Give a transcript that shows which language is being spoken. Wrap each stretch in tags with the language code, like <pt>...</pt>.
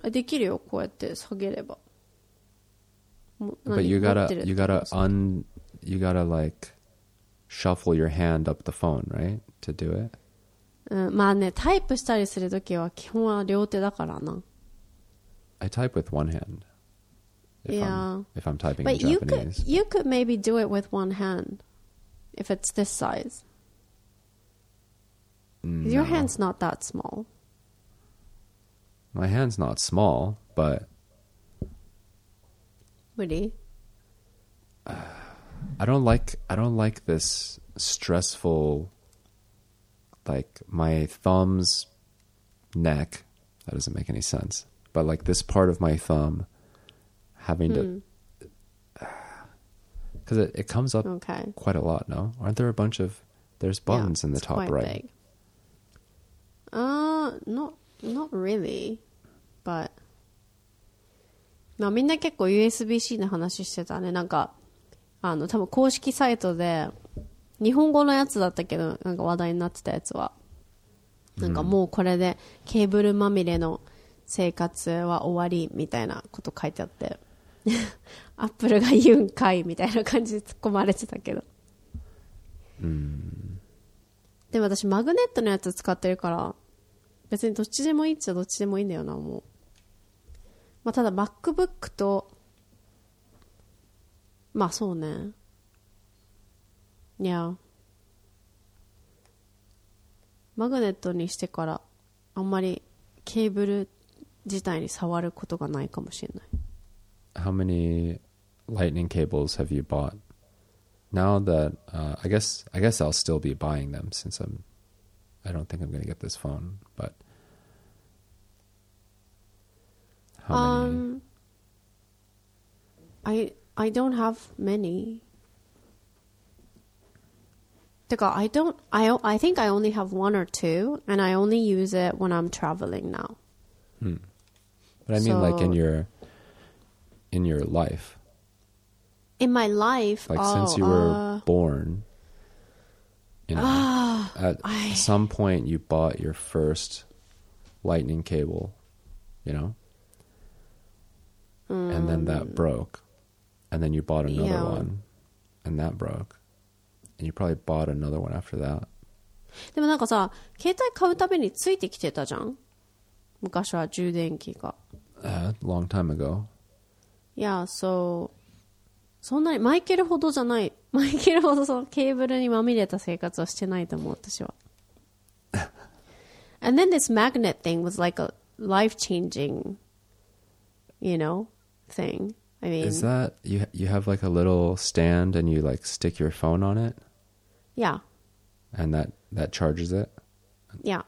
<ja>できるよ、こうやって下げれば。</ja> <en>But you gotta like shuffle your hand up the phone, right? To do it?</en> <ja>まあね、タイプしたりするときは基本は両手だからな。</ja> <en>I type with one hand. Yeah. If I'm typing but in Japanese. You could maybe do it with one hand if it's this size. No. Your hand's not that small. My hand's not small, but... Woody? I don't like this stressful... Like, my thumb's neck... That doesn't make any sense. But, like, this part of my thumb having to... Because it comes up quite a lot, no? Aren't there a bunch of... There's buttons in the top right. Big. Not really, but</en> <ja>まあみんな結構 USB-C の話してたね。なんか多分公式サイトで日本語のやつだったけど、なんか話題になってたやつは、なんかもうこれでケーブルまみれの生活は終わりみたいなこと書いてあって、Apple が言うんかいみたいな感じで突っ込まれてたけど。でも私マグネットのやつ使ってるから別にどっちでもいいっちゃどっちでもいいんだよな、もう。まあただ MacBook と、まあそうね。いや。マグネットにしてからあんまりケーブル自体に触ることがないかもしれない。</ja> <en>How many lightning cables have you bought? Now that I guess I'll still be buying them since I don't think I'm going to get this phone, but how many? I don't have many. I think I only have one or two, and I only use it when I'm traveling now. But I mean, like in your life. In my life, since you were born, some point you bought your first lightning cable, you know? And then that broke. And then you bought another one. And that broke. And you probably bought another one after that.</en> <ja>でもなんかさ、携帯買うたびについてきてたじゃん。昔は充電器が。</ja> <en>Long time ago. Yeah, so...</en> <ja>そんなにマイケルほどじゃない。マイケルほどそのケーブルにまみれた生活はしてないと思う、私は。</ja> <en>And then this magnet thing was like a life-changing, you know, thing. I mean... Is that... You have like a little stand and you like stick your phone on it? Yeah. And that charges it? Yeah.</en>